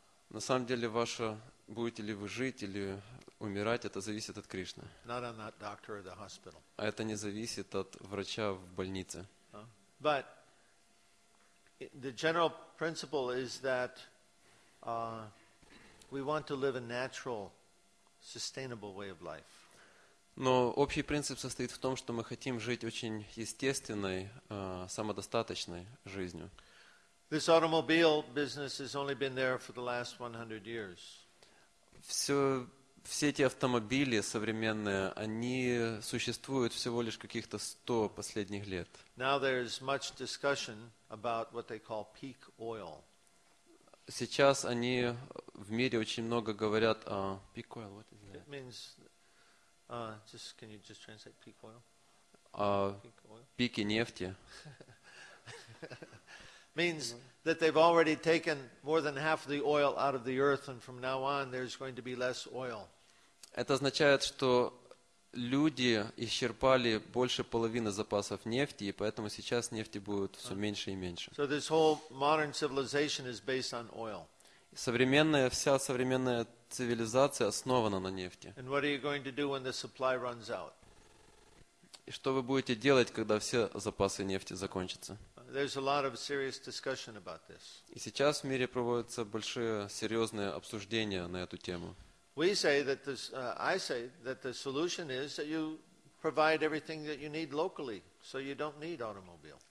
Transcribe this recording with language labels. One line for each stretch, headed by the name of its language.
Russian: На самом деле, ваше будете ли вы жить или умирать, это зависит от Кришны.
English: Not on that doctor or the hospital.
Russian: А это не зависит от врача в больнице.
English: But the general principle is that we want to live a natural, sustainable way of life.
Russian: Но общий принцип состоит в том, что мы хотим жить очень естественной, самодостаточной жизнью.
English: This automobile business has only been there for the last 100 years.
Russian: Все эти автомобили современные, они существуют всего лишь каких-то 100 последних лет.
English: Now there is much discussion about what they call peak oil.
Russian: Сейчас они в мире очень много говорят о peak oil.
English: What is that? It means just can you just translate peak oil?
Russian: Пики нефти.
English: Means that they've already taken more than half the oil out of the earth and from now on there's going to be less oil.
Russian: Это означает, что люди исчерпали больше половины запасов нефти, и поэтому сейчас нефти будет все меньше и меньше.
English: So this whole modern civilization is based on oil.
Russian: Современная, вся современная цивилизация основана на нефти.
English: And what are you going to do when the supply runs out?
Russian: И что вы будете делать, когда все запасы нефти закончатся?
English: There's a lot of serious discussion about this.
Russian: И сейчас в мире проводятся большие, серьезные обсуждения на эту тему.
English: We say that this, I say that the solution is that you provide everything that you need locally, so you don't need automobile.